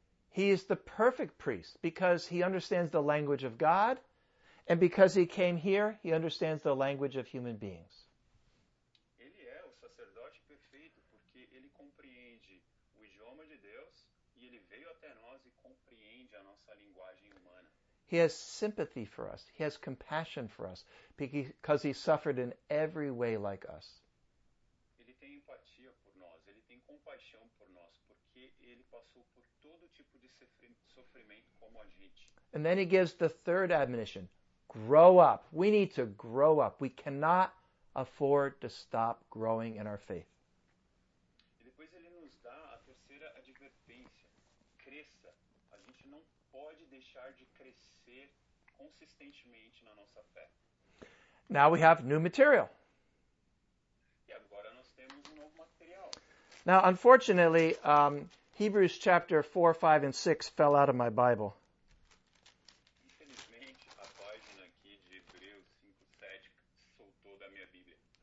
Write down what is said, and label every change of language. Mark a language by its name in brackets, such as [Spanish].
[English] He is the perfect priest because he understands the language of God, and because he came here, he understands the language of human beings. [Portuguese] Ele é o sacerdote perfeito porque ele compreende o idioma de Deus e ele veio até nós e compreende a nossa linguagem humana. [English] He has sympathy for us. He has compassion for us because he suffered in every way like us. [Portuguese] Ele tem empatia por nós. Ele tem compaixão por nós porque ele passou por todo tipo de sofrimento como a gente. [English] And then he gives the third admonition. Grow up. We need to grow up. We cannot afford to stop growing in our faith. [Portuguese] E depois ele nos dá a terceira advertência. cresça. A gente não pode deixar de crescer consistentemente na nossa fé. [English] Now we have new material. [Portuguese] E agora nós temos um novo material. [English] Now, unfortunately, Hebrews chapter 4, 5, and 6 fell out of my Bible. [Portuguese] Infelizmente, a página aqui de Hebreus 5, 7 soltou da minha Bíblia.